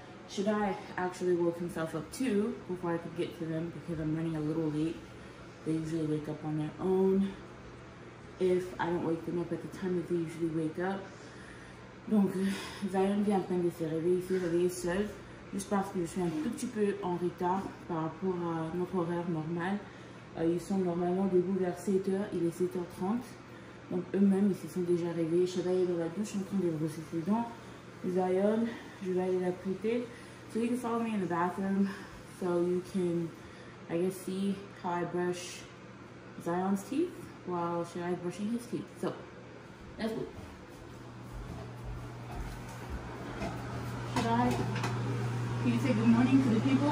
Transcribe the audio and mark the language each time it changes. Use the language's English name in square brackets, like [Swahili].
[English] Shaddai actually woke himself up too before I could get to them because I'm running a little late. They usually wake up on their own. If I don't wake them up at the time that they usually wake up. [French] Donc, Zion vient en train de se réveiller, se réveiller seul, juste parce que je suis un tout petit peu en retard par rapport à notre horaire normal. Ils sont normalement debout vers 7h, il est 7h30. Donc eux-mêmes, ils se sont déjà réveillés. Shaddai est dans la douche en train de brosser ses dents. Zion, je vais aller la prêter. [English] So you can follow me in the bathroom. So you can, I guess, see how I brush Zion's teeth while Shaddai is brushing his teeth. So, let's go. Shaddai, can you say good morning to the people?